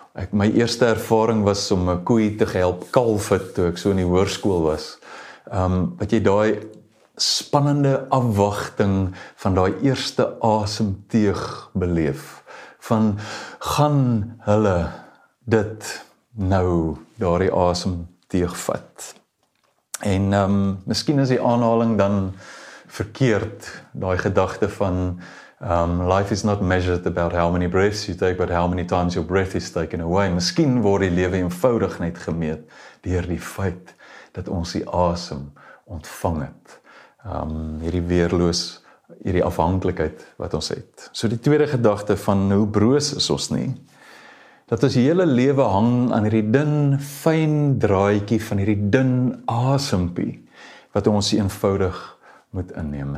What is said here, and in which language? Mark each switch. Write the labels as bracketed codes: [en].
[af] My eerste ervaring was om 'n koei te help kalf het, toe ek so in die hoërskool was. Wat jy daai spannende afwagting van daai eerste asemteug beleef. Van gaan hulle dit nou daardie asemteug vat. En miskien is die aanhaling dan verkeerd, daai gedagte van [en] life is not measured about how many breaths you take, but how many times your breath is taken away. [af] Miskien word die lewe eenvoudig net gemeet deur die feit dat ons die asem ontvang het. Hierdie weerloos, hierdie afhanklikheid wat ons het. So die tweede gedagte van hoe broos is ons nie, dat ons hele lewe hang aan hierdie dun, fyn draadjie van hierdie dun asempie, wat ons eenvoudig moet inneem.